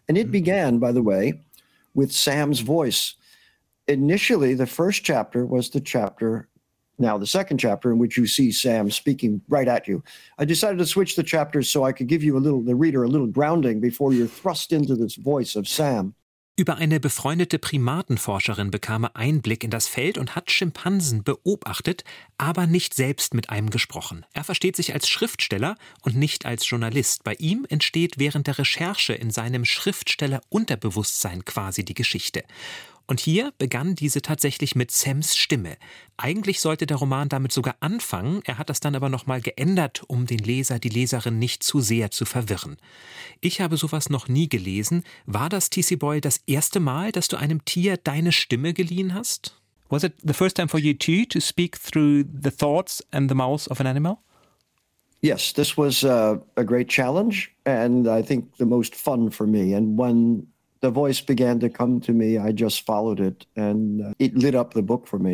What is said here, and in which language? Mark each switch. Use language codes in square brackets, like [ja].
[en] And it began, by the way, with Sam's voice. Initially, the first chapter was the chapter, now the second chapter, in which you see Sam speaking right at you. I decided to switch the chapters so I could give you a little, the reader, a little grounding before you're thrust into this voice of Sam. [de] Über eine befreundete Primatenforscherin bekam er Einblick in das Feld und hat Schimpansen beobachtet, aber nicht selbst mit einem gesprochen. Er versteht sich als Schriftsteller und nicht als Journalist. Bei ihm entsteht während der Recherche in seinem Schriftsteller-Unterbewusstsein quasi die Geschichte. Und hier begann diese tatsächlich mit Sams Stimme. Eigentlich sollte der Roman damit sogar anfangen, er hat das dann aber nochmal geändert, um den Leser, die Leserin nicht zu sehr zu verwirren. Ich habe sowas noch nie gelesen. War das, TC Boyle, das erste Mal, dass du einem Tier deine Stimme geliehen hast? [en] Was it the first time for you too, to speak through the thoughts and the mouth of an animal? Yes, this was a great challenge and I think the most fun for me. And when the voice began to come to me, I just followed it, and it lit up the book for me.